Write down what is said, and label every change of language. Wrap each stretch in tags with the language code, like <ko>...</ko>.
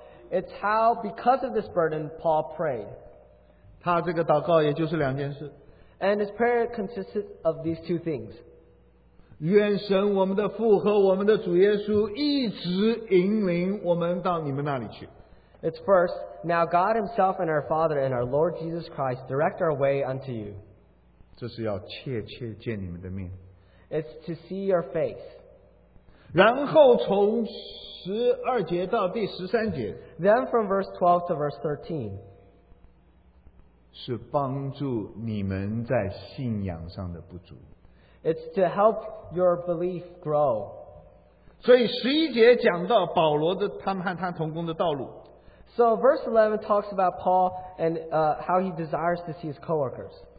<en>It's how, because of this burden, Paul prayed.</en> <zh>他这个祷告也就是两件事。</zh> <en>And his prayer consisted of these two things.</en> <zh>愿神我们的父和我们的主耶稣一直引领我们到你们那里去。</zh> <en>It's first, now God Himself and our Father and our Lord Jesus Christ direct our way unto you.</en> <zh>这是要切切见你们的面。</zh> <en>It's to see your face.</en> <zh>然后从12节到第13节,</zh> <en>then from verse 12 to verse 13,</en> <zh>是帮助你们在信仰上的不足。</zh> <en>It's to help your belief grow.</en> <zh>所以11节讲到保罗的他们和他同工的道路。</zh> <en>So verse 11 talks about Paul and how he desires to see his co-workers.</en>